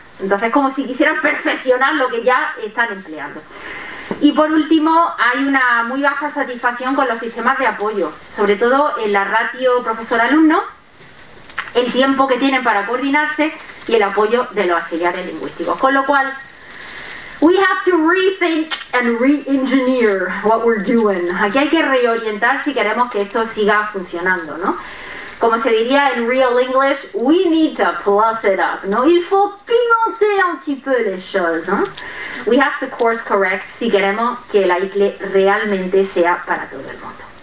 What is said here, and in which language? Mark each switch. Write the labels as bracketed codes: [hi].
[es] Entonces, como si quisieran perfeccionar lo que ya están empleando. Y por último, hay una muy baja satisfacción con los sistemas de apoyo, sobre todo en la ratio profesor-alumno, el tiempo que tienen para coordinarse y el apoyo de los auxiliares lingüísticos. Con lo cual, [en] we have to rethink and re-engineer what we're doing. [es] Aquí hay que reorientar si queremos que esto siga funcionando, ¿no? Como se diría en real English, [en] we need to plus it up, [es] ¿no? [fr] Il faut pimenter un petit peu les choses, [es] ¿no? [en] We have to course correct [es] si queremos que la ICLE realmente sea para todo el mundo.